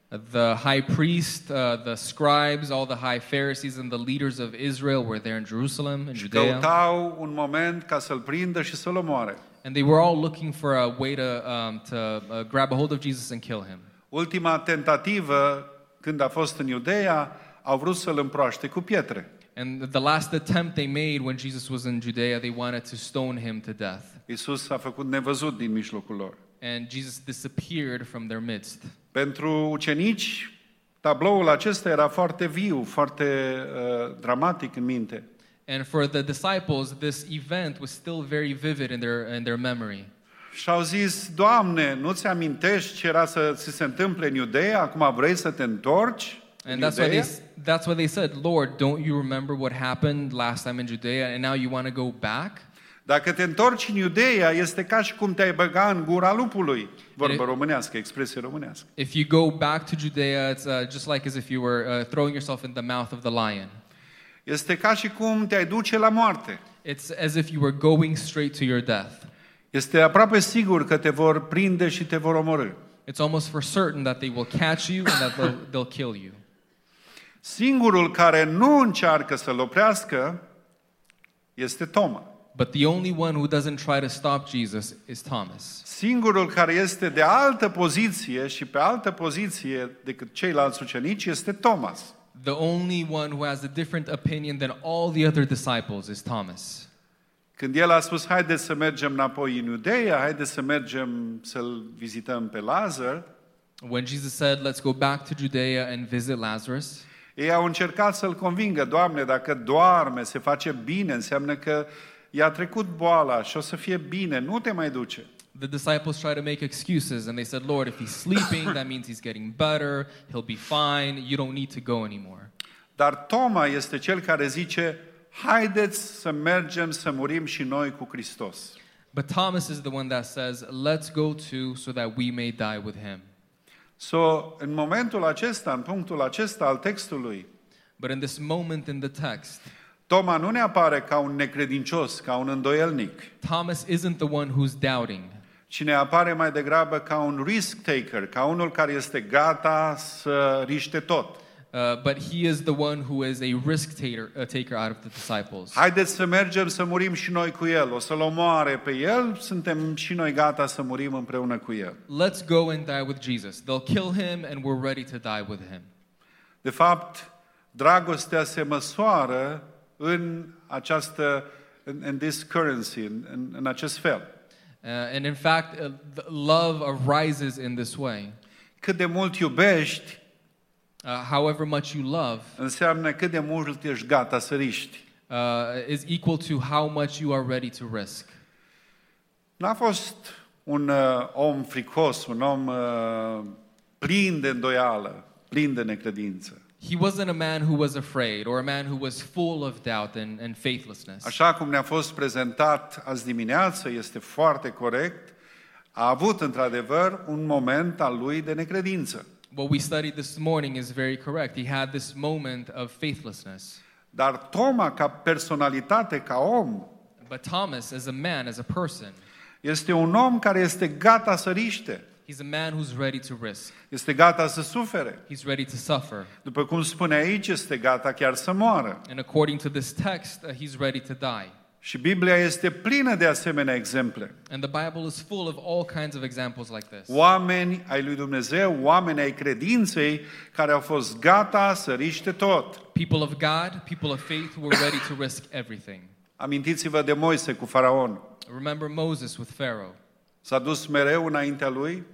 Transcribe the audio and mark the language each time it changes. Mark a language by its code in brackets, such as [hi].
[en] The high priest, the scribes, all the high Pharisees and the leaders of Israel were there in Jerusalem, in Judea. [ro] Și căutau un moment ca să-l prindă și să-l omoare. [en] And they were all looking for a way to grab a hold of Jesus and kill him. [ro] Ultima tentativă, când a fost în Iudeea, au vrut să-l împroaște cu pietre. [en] And the last attempt they made when Jesus was in Judea, they wanted to stone him to death. [ro] Iisus s-a făcut nevăzut din mijlocul lor. [en] And Jesus disappeared from their midst. [ro] Pentru ucenici, tabloul acesta era foarte viu, foarte dramatic în minte. [en] And for the disciples, this event was still very vivid in their memory. [ro] Și au zis, Doamne, nu ți amintești ce era să ți se întâmple în Iudeea? Acum vrei să te întorci? [en] And that's what they said, Lord, don't you remember what happened last time in Judea and now you want to go back? [ro] Dacă te întorci în Iudeia, este ca și cum te-ai băga în gura lupului. Vorbă românească, expresie românească. [en] If you go back to Judea, it's just like as if you were throwing yourself in the mouth of the lion. [ro] Este ca și cum te-ai duce la moarte. [en] It's as if you were going straight to your death. [ro] Este aproape sigur că te vor prinde și te vor omorî. [en] It's almost for certain that they will catch you and that they'll kill you. [ro] Singurul care nu încearcă să-l oprească este Toma. [en] But the only one who doesn't try to stop Jesus is Thomas. [ro] Singurul care este de altă poziție și pe altă poziție decât ceilalți ucenici este Thomas. [en] The only one who has a different opinion than all the other disciples is Thomas. [ro] Când el a spus, haideți să mergem înapoi în Iudeia, haideți să mergem să-l vizităm pe Lazar. [en] When Jesus said, let's go back to Judea and visit Lazarus. [ro] Ei au încercat să-l convingă, Doamne, dacă doarme, se face bine, înseamnă că i-a trecut boala și o să fie bine, nu te mai duce. [en] The disciples tried to make excuses and they said, Lord, if he's sleeping, that means he's getting better, he'll be fine, you don't need to go anymore. [ro] Dar Toma este cel care zice, haideți să mergem să murim și noi cu Hristos. [en] But Thomas is the one that says, let's go too so that we may die with him. So, [ro] în momentul acesta, în punctul acesta al textului, [en] but in this moment in the text, [ro] Toma nu ne apare ca un necredincios, ca un îndoielnic. [en] Thomas isn't the one who's doubting. [ro] Ci ne apare mai degrabă ca un [en] risk taker, [ro] ca unul care este gata să riște tot. [en] But he is the one who is a risk taker out of the disciples. [ro] Haideți să mergem să murim și noi cu el. O să-l omoare pe el, suntem și noi gata să murim împreună cu el. [en] Let's go and die with Jesus. They'll kill him and we're ready to die with him. [ro] De fapt, dragostea se măsoară în această [en] in this currency, [ro] în acest fel. [en] And in fact, love arises in this way. [ro] Cât de mult iubești, [en] However much you love, [ro] înseamnă cât de mult ești gata să riști. [en] Is equal to how much you are ready to risk. [ro] N-a fost un om fricos, un om plin de îndoială, plin de necredință. [en] He wasn't a man who was afraid or a man who was full of doubt and faithlessness. [ro] Așa cum ne-a fost prezentat azi dimineață, este foarte corect, a avut într-adevăr un moment al lui de necredință. [en] What we studied this morning is very correct. He had this moment of faithlessness. [ro] Dar Toma, ca personalitate, ca om, [en] but Thomas, as a man, as a person, [ro] este un om care este gata să riște. [en] He's a man who's ready to risk. [ro] Este gata să sufere. [en] He's ready to suffer. [ro] După cum spune aici, este gata chiar să moară. [en] And according to this text, he's ready to die. [ro] Și Biblia este plină de asemenea exemple. [en] And the Bible is full of all kinds of examples like this. [ro] Oameni ai lui Dumnezeu, oameni ai credinței care au fost gata să riște tot. [en] People of God, people of faith who were ready to risk everything. [ro] Amintiți-vă de Moise cu Faraon. [en] Remember Moses with Pharaoh. [ro] S-a dus mereu înaintea lui.